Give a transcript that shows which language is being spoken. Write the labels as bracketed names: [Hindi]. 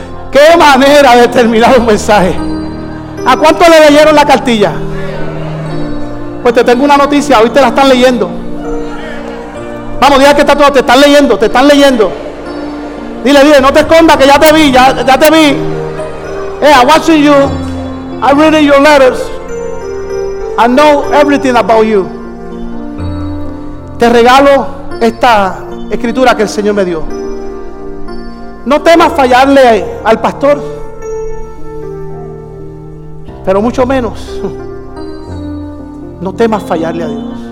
[Spanish] ¡Qué manera de terminar un mensaje! ¿A cuánto le leyeron la cartilla? Pues te tengo una noticia, hoy te la están leyendo. Vamos, diga que está todo, te están leyendo. Dile, no te escondas, que ya te vi. [English] Hey, I'm watching you, I'm reading your letters, I know everything about you. [Spanish] Te regalo esta escritura que el Señor me dio. No temas fallarle al pastor, pero mucho menos, no temas fallarle a Dios.